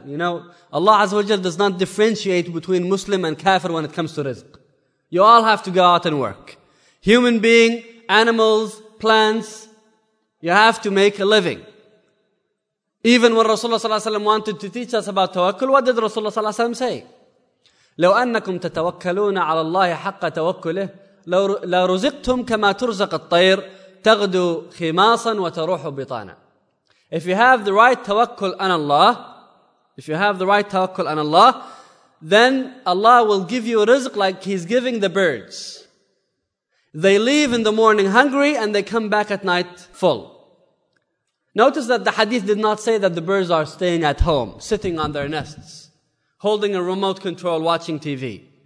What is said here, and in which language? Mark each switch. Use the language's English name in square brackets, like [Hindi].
[English] You know, Allah Azza wa Jalla does not differentiate between Muslim and kafir when it comes to rizq. You all have to go out and work. Human being, animals, plants, you have to make a living. Even when Rasulullah sallallahu alaihi wasallam wanted to teach us about tawakkul, what did Rasulullah sallallahu alaihi wasallam say? [Arabic] لو أنكم تتوكلون على الله حق توكله لرزقتم كما ترزق الطير تغدو خماصا وتروح بطانا. [English] If you have the right tawakkul on Allah, if you have the right tawakkul on Allah, then Allah will give you rizq like He's giving the birds. They leave in the morning hungry and they come back at night full. Notice that the hadith did not say that the birds are staying at home, sitting on their nests, holding a remote control, watching TV.